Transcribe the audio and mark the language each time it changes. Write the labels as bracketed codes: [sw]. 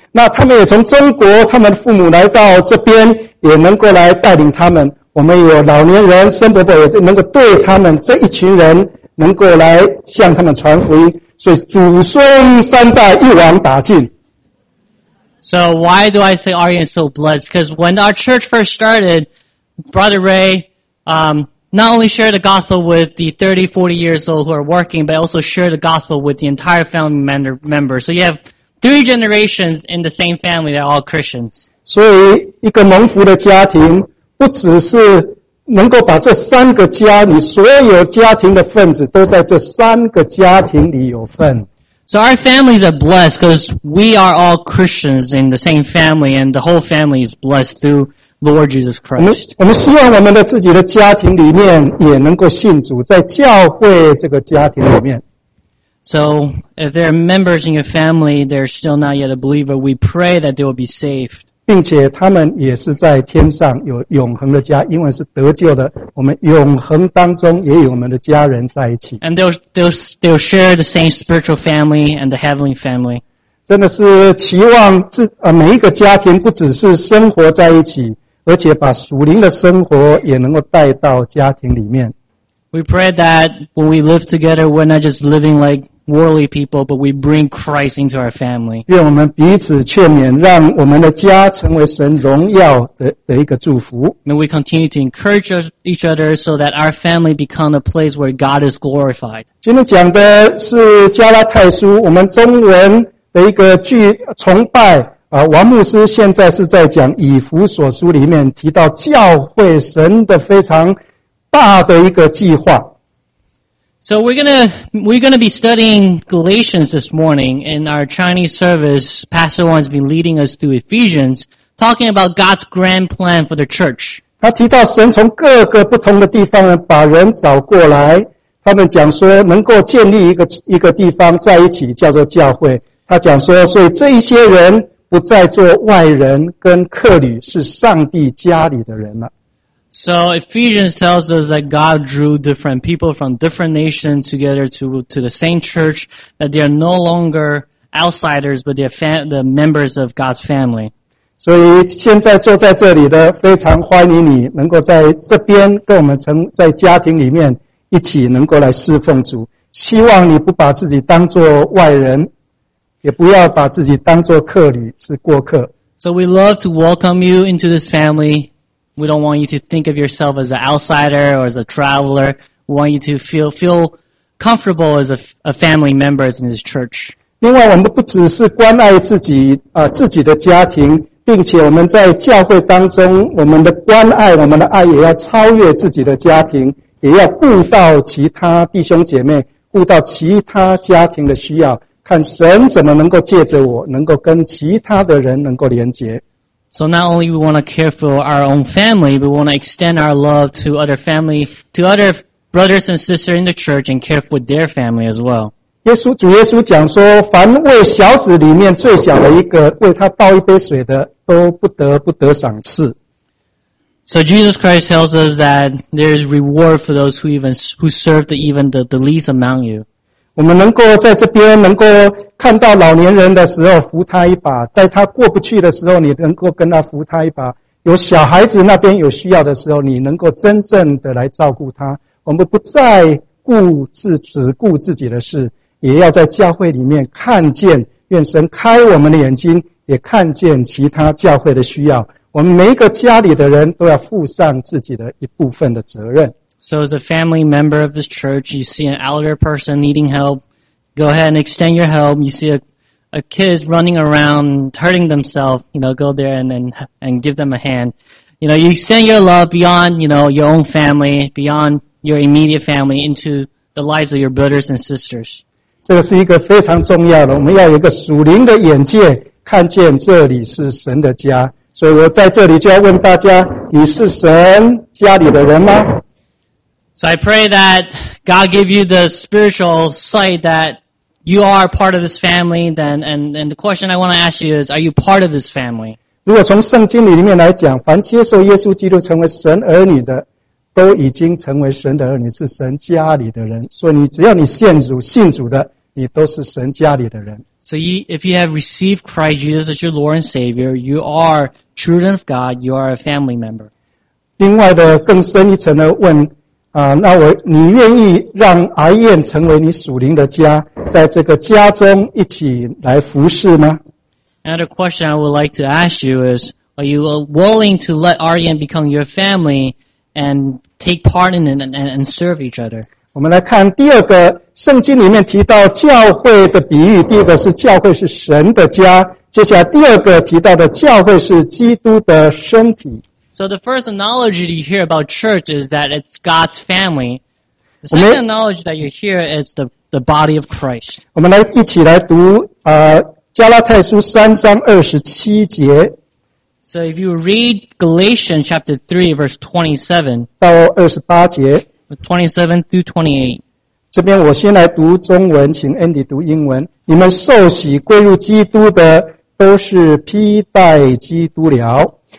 [zh] 那他们也从中国，他们的父母来到这边，也能够来带领他们。我们有老年人，申伯伯也能够对他们这一群人，能够来向他们传福音。所以祖孙三代一网打尽。 [en] So why do I say REM is so blessed? Because when our church first started, Brother Ray,not only share the gospel with the 30, 40 years old who are working, but also share the gospel with the entire family member. So you have three generations in the same family that are all Christians. [zh] 所以一个蒙福的家庭不只是能够把这三个家，你所有家庭的分子都在这三个家庭里有份。 [en] So our families are blessed because we are all Christians in the same family and the whole family is blessed through Lord Jesus Christ. [zh] 我们希望我们的自己的家庭里面也能够信主，在教会这个家庭里面。 [en] So, if there are members in your family, they're still not yet a believer, we pray that they will be saved. [zh] 并且他们也是在天上有永恒的家，因为是得救的，我们永恒当中也有我们的家人在一起。 [en] And they'll share the same spiritual family and the heavenly family. [zh] 真的是期望每一个家庭不只是生活在一起，而且把属灵的生活也能够带到家庭里面。 [en] We pray that when we live together, we're not just living like worldly people, but we bring Christ into our family. [zh] 愿我们彼此劝勉，让我们的家成为神荣耀 的一个祝福。 [en] May we continue to encourage each other so that our family become a place where God is glorified. [zh] 今天讲的是加拉太书，我们中文的一个句崇拜。王牧师现在是在讲以弗所书里面提到教会神的非常大的一个计划。 [en] So we're gonna be studying Galatians this morning in our Chinese service. Pastor Wang's been leading us through Ephesians, talking about God's grand plan for the church. [zh] 他提到神从各个不同的地方把人找过来，他们讲说能够建立一个地方在一起叫做教会。他讲说，所以这一些人不再做外人跟客旅，是上帝家里的人了。 [en] So Ephesians tells us that God drew different people from different nations together to the same church, that they are no longer outsiders, but they are the members of God's family. [zh] 所以现在坐在这里的，非常欢迎你能够在这边跟我们在家庭里面一起能够来侍奉主。希望你不把自己当作外人，也不要把自己当作客旅，是过客。 [en] So we love to welcome you into this family. We don't want you to think of yourself as an outsider or as a traveler. We want you to feel comfortable as a family members in this church. [zh] 另外我们不只是关爱自己的家庭，并且我们在教会当中，我们的关爱，我们的爱也要超越自己的家庭，也要顾到其他弟兄姐妹，顾到其他家庭的需要，看神怎么能够借着我，能够跟其他的人能够连结。 [en] So not only we want to care for our own family, we want to extend our love to other family, to other brothers and sisters in the church and care for their family as well. [zh] 主耶稣讲说，凡为小子里面最小的一个，为他倒一杯水的，都不得不得赏赐。 [en] So Jesus Christ tells us that there is reward for those who serve the least among you. [zh] 我们能够在这边能够看到老年人的时候扶他一把，在他过不去的时候你能够跟他扶他一把，有小孩子那边有需要的时候你能够真正的来照顾他。我们不再只顾自己的事，也要在教会里面看见，愿神开我们的眼睛，也看见其他教会的需要。我们每一个家里的人都要负上自己的一部分的责任。 [en] So as a family member of this church, you see an elder person needing help, go ahead and extend your help. You see a kid running around, hurting themselves, you know, go there and give them a hand. You know, you extend your love beyond, you know, your own family, beyond your immediate family into the lives of your brothers and sisters. [zh] 这个是一个非常重要的，我们要有一个属灵的眼界，看见这里是神的家。所以我在这里就要问大家，你是神家里的人吗？ [en] So I pray that God give you the spiritual sight that you are part of this family. Then, and the question I want to ask you is, are you part of this family? [zh] 如果从圣经里面来讲，凡接受耶稣基督成为神儿女的，都已经成为神的儿女，是神家里的人。所以你只要你现主信主的，你都是神家里的人。 [en] So you, if you have received Christ Jesus as your Lord and Savior, you are children of God. You are a family member. [zh] 另外的更深一层的问。那我你愿意让癌院成为你属灵的家，在这个家中一起来服侍吗？ [en] Another question I would like to ask you is, are you willing to let RN become your family and take part in it and serve each other? [zh] 我们来看第二个，圣经里面提到教会的比喻，第一个是教会是神的家，接下来第二个提到的教会是基督的身体。 [en] So the first analogy you hear about church is that it's God's family. The second analogy that you hear is the body of Christ. [zh] 我们来一起来读加拉太书三章二十七节。 [en] So if you read Galatians chapter 3 verse 27. [zh] 到二十八节。 [en] 27 through 28. [zh] 这边我先来读中文，请 Andy 读英文。你们受洗归入基督的都是披戴基督了。